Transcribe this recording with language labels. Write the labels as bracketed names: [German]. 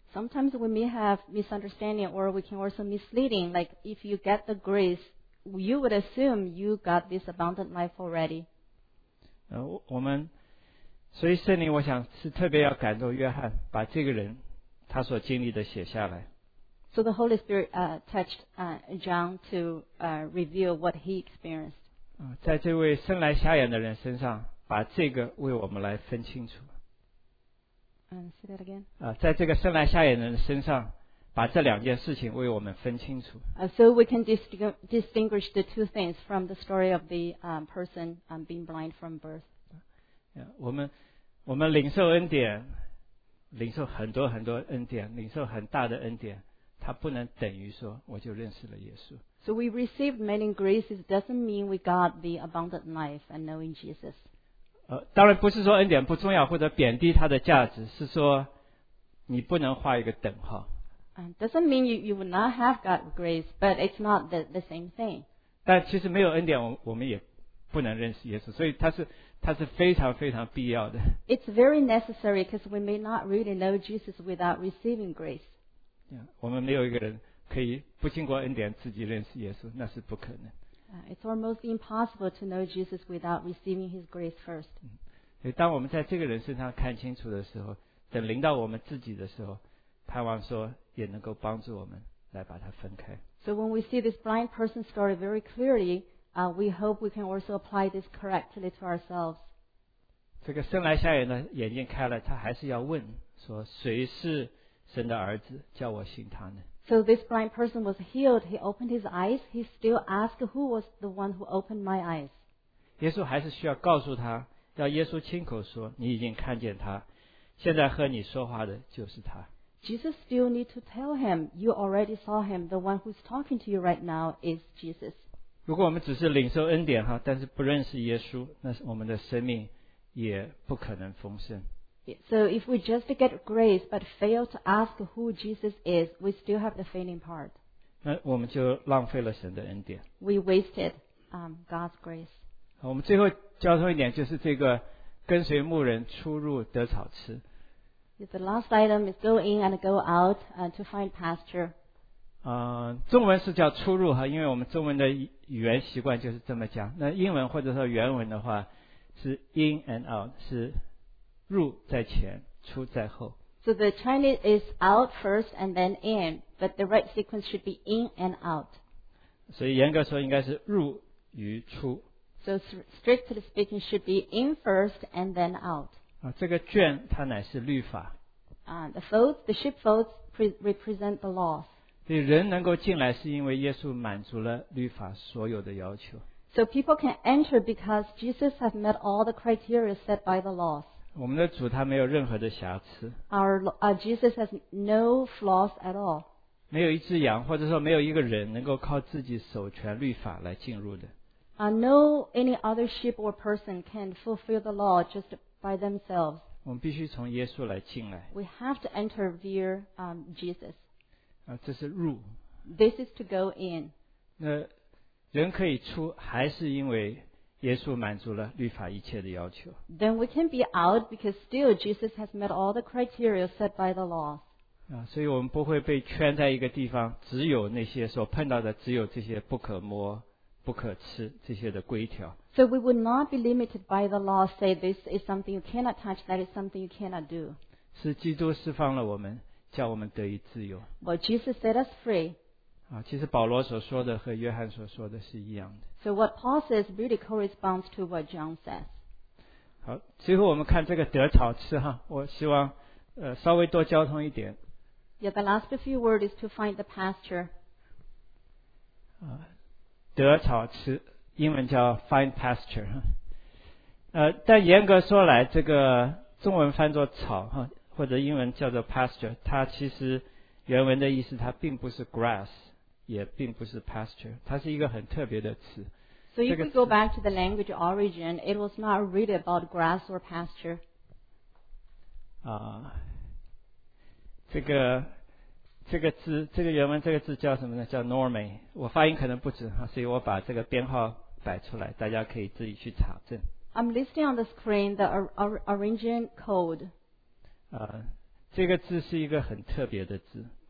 [English] Sometimes we may have misunderstanding or we can also misleading like if you get the grace you would assume you got this abundant life already [Chinese] 我们所以圣灵我想是特别要感动约翰把这个人他所经历的写下来 [English] So the Holy Spirit touched John to reveal what he experienced. [Chinese] 在这位生来瞎眼的人身上，把这个为我们来分清楚。 [English] Say that again. [Chinese] 在这个生来瞎眼的人身上，把这两件事情为我们分清楚。 [English] So we can distinguish the two things from the story of the person being blind from birth. [Chinese] 我们领受恩典，领受很多很多恩典，领受很大的恩典。他不能等于说我就认识了耶稣 [English] So we received many graces doesn't mean we got the abundant life and knowing Jesus [Chinese] 当然不是说恩典不重要或者贬低他的价值是说你不能画一个等号 [English] doesn't mean you would not have got grace but it's not the same thing [Chinese] 但其实没有恩典我们也不能认识耶稣所以他是非常非常必要的 [English] It's very necessary because we may not really know Jesus without receiving grace [Chinese] Yeah, 我们没有一个人可以不经过恩典自己认识耶稣，那是不可能。 [English] It's almost impossible to know Jesus without receiving His grace first. [Chinese] 所以当我们在这个人身上看清楚的时候，等临到我们自己的时候，盼望说也能够帮助我们来把它分开。 [English] So when we see this blind person story very clearly, we hope we can also apply this correctly to ourselves. [Chinese] 这个生来瞎眼的眼睛开了，他还是要问说谁是神的儿子，叫我信他呢？ [English] So this blind person was healed. He opened his eyes. He still asked, "Who was the one who opened my eyes?" [Chinese] 耶稣还是需要告诉他，要耶稣亲口说，你已经看见他，现在和你说话的就是他。 [English] Jesus still need to tell him, "You already saw him. The one who's talking to you right now is Jesus." [Chinese] 如果我们只是领受恩典哈，但是不认识耶稣，那我们的生命也不可能丰盛。 [English] So if we just get grace but fail to ask who Jesus is, we still have the fainting part. [Chinese] 那我们就浪费了神的恩典。 [English] We wasted God's grace. [Chinese] 我们最后交通一点就是这个跟随牧人出入得草吃。 [English] The last item is go in and go out to find pasture. [Chinese] 中文是叫出入哈，因为我们中文的语言习惯就是这么讲。那英文或者说原文的话是 [English] in and out， [Chinese] 是入在前，出在后。 [English] So the Chinese is out first and then in, but the right sequence should be in and out. [Chinese] 所以严格说应该是入与出。 [English] So strictly speaking, should be in first and then out. [Chinese] 这个圈它乃是律法。 [English] The folds, the sheepfolds represent the laws. [Chinese] 所以人能够进来是因为耶稣满足了律法所有的要求。 [English] So people can enter because Jesus has met all the criteria set by the laws. [Chinese] 我们的主他没有任何的瑕疵。 [English] Jesus has no flaws at all. [Chinese] 没有一只羊或者说没有一个人能够靠自己守全律法来进入的。 [English] No any other sheep or person can fulfill the law just by themselves. [Chinese] 我们必须从耶稣来进来。 [English] We have to enter via Jesus. [Chinese] 这是入。 [English] This is to go in. [Chinese] 那人可以出还是因为耶稣满足了律法一切的要求。 [English] Then we can be out because still Jesus has met all the criteria set by the law. [Chinese] 所以我们不会被圈在一个地方，只有那些所碰到的，只有这些不可摸、不可吃这些的规条。 [English] So we would not be limited by the law. Say this is something you cannot touch. That is something you cannot do. [Chinese] 是基督释放了我们，叫我们得以自由。 [English] Well, Jesus set us free. [Chinese] 其实保罗所说的和约翰所说的是一样的。 [English] So what Paul says really corresponds to what John says. [Chinese] 好，最后我们看这个得草吃哈，我希望稍微多交通一点。 [English] Yeah, the last few words is to find the pasture. [Chinese] 得草吃，英文叫 [English] find pasture. [Chinese] 但严格说来，这个中文翻作草哈，或者英文叫做 pasture， 它其实原文的意思它并不是 grass。也并不是 pasture， 它是一个很特别的词。 [English] So if we go back to the language origin, it was not really about grass or pasture. [Chinese] 这个字，这个原文，这个字叫什么呢？叫 normie。我发音可能不准哈，所以我把这个编号摆出来，大家可以自己去查证。 [English] I'm listing on the screen the origin code. [Chinese] 这个字是一个很特别的字。